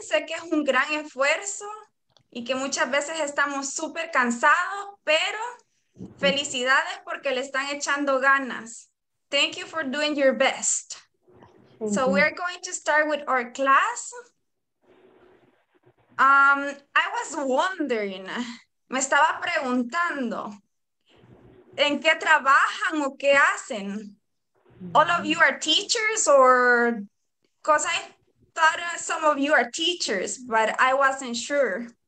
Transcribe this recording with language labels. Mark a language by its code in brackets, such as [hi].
[es] Sé que es un gran esfuerzo y que muchas veces estamos súper cansados, pero felicidades porque le están echando ganas. [en] Thank you for doing your best. So we're going to start with our class. I was wondering, [es] me estaba preguntando, ¿en qué trabajan o qué hacen? [en] All of you are teachers or, because I thought some of you are teachers, but I wasn't sure.